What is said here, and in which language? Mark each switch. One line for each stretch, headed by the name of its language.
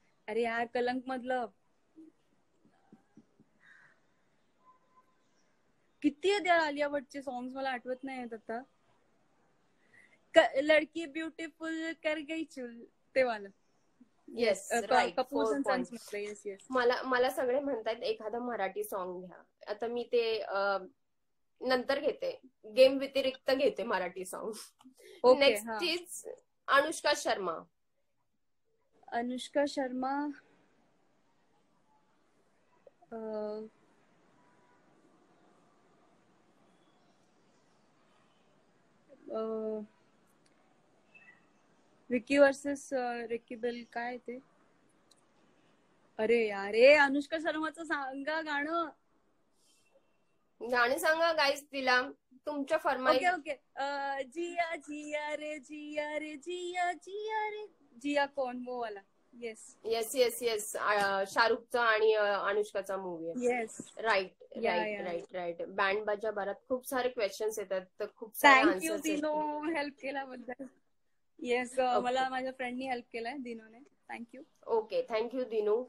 Marathi: अरे यार कलंक मधलं किती आहे त्या आलिया भट्टचे सॉंग्स मला आठवत नाही आहेत आता.
Hindi: लड़की ब्यूटीफुल कर गई चुल ते वाला.
English: Yes, right.
Marathi: मला मला सगळे म्हणतात एखादं मराठी सॉन्ग घ्या. आता मी ते नंतर घेते, गेम व्यतिरिक्त घेते Marathi song.
English: Next is Anushka Sharma.
Marathi: Anushka Sharma Vicky versus Ricky bell काय ते. अरे यारे अनुष्का शर्माचं सांगा गाणं. गाणं सांगा गाईस तिला तुमच्या फरमाईश.
English: Okay okay.
Hindi: जिया जिया रे जिया रे जिया जिया रे जिया कौन वो वाला.
English: Yes yes yes yes.
Marathi: शाहरुखचा आणि अनुष्काचा मूवी आहे.
English: Yes right right right right.
Marathi: Band बाजा भारत खूप सारे क्वेश्चन्स येतात. खूप थँक्यू दिनो हेल्प केल्याबद्दल. येस मला माझ्या फ्रेंडनी हेल्प केलाय दिनोने.
English: Thank you. Okay thank you Dinu.